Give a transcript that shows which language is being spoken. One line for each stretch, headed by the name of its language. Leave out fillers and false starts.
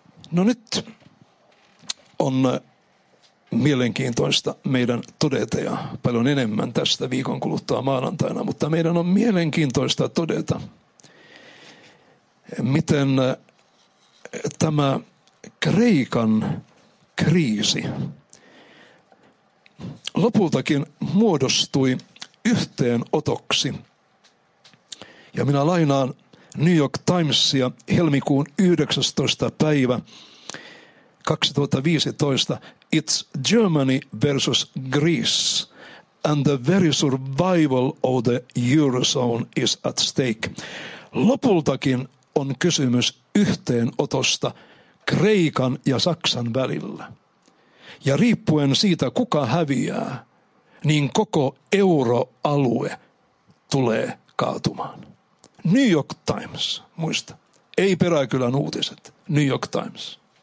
Finnish: No nyt on mielenkiintoista meidän todeta ja paljon enemmän tästä viikon kuluttua maanantaina, mutta meidän on mielenkiintoista todeta, miten tämä Kreikan kriisi lopultakin muodostui yhteenotoksi, ja minä lainaan New York Timesia helmikuun 19. päivä 2015,
English: It's Germany versus Greece, and the very survival of the Eurozone is at stake.
Finnish: Lopultakin on kysymys yhteenotosta Kreikan ja Saksan välillä. Ja riippuen siitä, kuka häviää, niin koko euroalue tulee kaatumaan. New York Times, muista. Ei Peräkylän uutiset, New York Times.